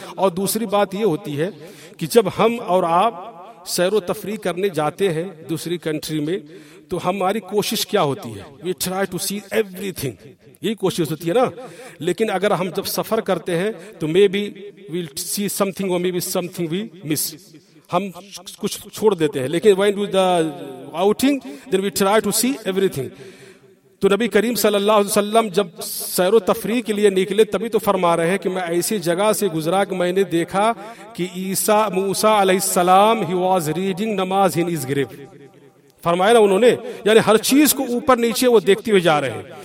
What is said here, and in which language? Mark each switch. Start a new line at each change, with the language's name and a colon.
Urdu: اور دوسری بات یہ ہوتی ہے کہ جب ہم اور آپ سیر و تفریح کرنے جاتے ہیں دوسری کنٹری میں, تو ہماری کوشش کیا ہوتی ہے؟
English: we try to see everything,
Urdu: یہی کوشش ہوتی ہے نا. لیکن اگر ہم جب سفر کرتے ہیں تو
English: maybe we'll see something
Urdu: اور
English: maybe something we miss,
Urdu: ہم کچھ چھوڑ دیتے ہیں. لیکن
English: When do the outing then we try to see everything.
Urdu: تو نبی کریم صلی اللہ علیہ وسلم جب سیر و تفریح کے لیے نکلے تبھی تو فرما رہے ہیں کہ میں ایسی جگہ سے گزرا کہ میں نے دیکھا کہ عیسیٰ موسیٰ علیہ السلام
English: He was reading namaz in his grave.
Urdu: فرمایا نا انہوں نے, یعنی ہر چیز کو اوپر نیچے وہ دیکھتے ہوئے جا رہے ہیں.